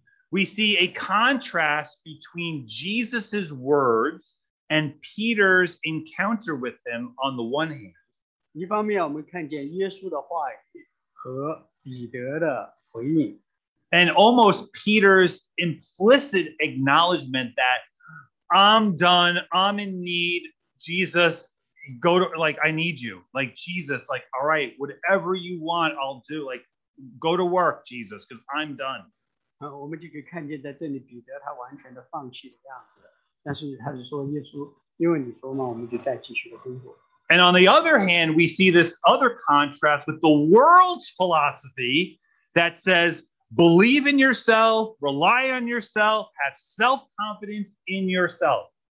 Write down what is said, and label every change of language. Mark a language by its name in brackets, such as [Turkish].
[English] We see a contrast between Jesus' words and Peter's encounter with him on the one hand. [Chinese] 一方面我们看见耶稣的话语和彼得的回应。 [English] And almost Peter's implicit acknowledgement that I'm done, I'm in need, Jesus, go to, like, I need you. Like, Jesus, like, all right, whatever you want, I'll do. Like, go to work, Jesus, because I'm done. [Chinese] 我们就可以看见在这里彼得他完全的放弃的样子，但是他是说耶稣，因为你说嘛，我们就再继续的工作。 [English] And on the other hand, we see this other contrast with the world's philosophy that says, believe in yourself, rely on yourself, have self-confidence in yourself.